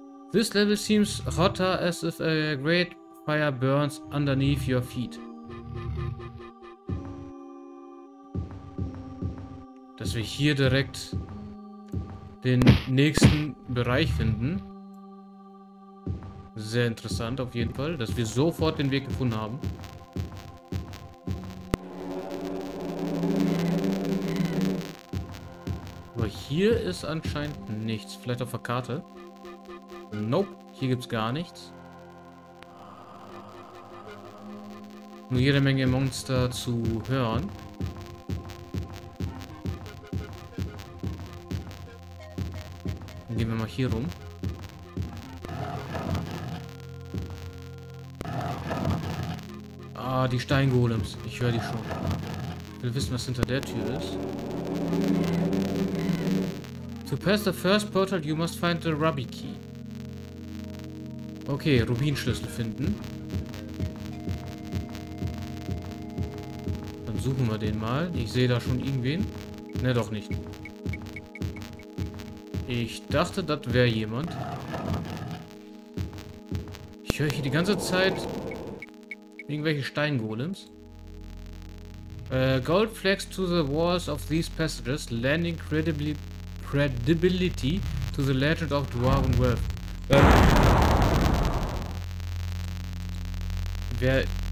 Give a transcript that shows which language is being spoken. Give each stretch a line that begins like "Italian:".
English: This level seems hotter as if a great fire burns underneath your feet.
German: Dass wir hier direkt den nächsten Bereich finden. Sehr interessant auf jeden Fall, dass wir sofort den Weg gefunden haben. Aber hier ist anscheinend nichts. Vielleicht auf der Karte. Nope, hier gibt's gar nichts. Nur jede Menge Monster zu hören. Dann gehen wir mal hier rum. Ah, die Steingolems. Ich höre die schon. Ich will wissen, was hinter der Tür ist.
English: To pass the first portal, you must find the Ruby Key.
German: Okay, Rubinschlüssel finden. Dann suchen wir den mal. Ich sehe da schon irgendwen. Ne, doch nicht. Ich dachte, das wäre jemand. Ich höre hier die ganze Zeit irgendwelche Steingolems.
English: Gold flags to the walls of these passages, lending credibility to the legend of Dwarven Wealth.